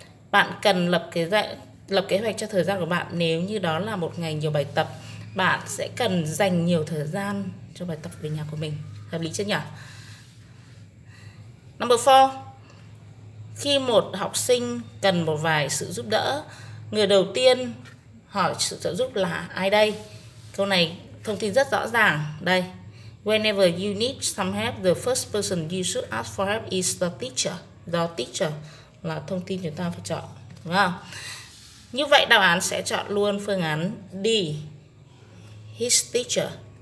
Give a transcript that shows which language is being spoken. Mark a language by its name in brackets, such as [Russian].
[Vietnamese] Bạn cần lập kế hoạch cho thời gian của bạn. Nếu như đó là một ngày nhiều bài tập, bạn sẽ cần dành nhiều thời gian cho bài tập về nhà của mình. Hợp lý chưa nhỉ? [English] Number four, [Vietnamese] khi một học sinh cần một vài sự giúp đỡ, người đầu tiên hỏi sự trợ giúp là ai đây? Câu này thông tin rất rõ ràng. [English] Đây, whenever you need some help, the first person you should ask for help is the teacher. [Vietnamese] The teacher là thông tin chúng ta phải chọn, đúng không? Như vậy đáp án sẽ chọn luôn phương án D, [English] his teacher.